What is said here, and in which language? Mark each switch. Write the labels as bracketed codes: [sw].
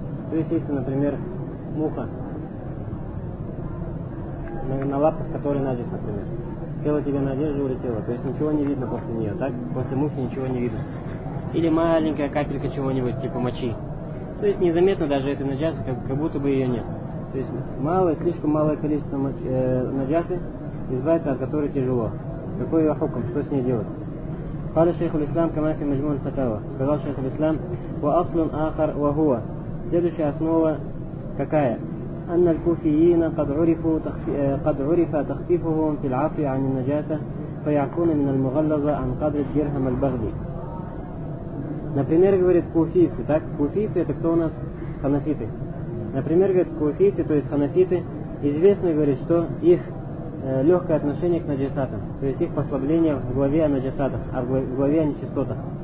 [ru] То есть, если, например, муха на лапах, которые надежь, например, села тебе на одежду и улетела, то есть ничего не видно после нее, так? После мухи ничего не видно. Или маленькая капелька чего-нибудь, типа мочи. То есть незаметно даже этой нажасы, как будто бы ее нет. То есть малое, слишком малое количество нажасы, избавиться от которой тяжело. Какой ее хуком, что с ней делать? [ar] قال شيخ الإسلام كما في مجموع الفتاوى. قال شيخ الإسلام وأصل آخر وهو [ru] следующая основа какая [ar] أن الكوفيين قد عرف تخفيفهم في العفو عن النجاسة فيعفون من المغلظة عن قدر الدرهم البغدي. [ru] Например, говорит куфийцы, так? Куфийцы — это кто у нас? Ханафиты. Например, говорит куфийцы, то есть ханафиты, известно, говорит, что их легкое отношение к наджасатам, то есть их послабление в главе о наджасатах, а в главе о нечистотах.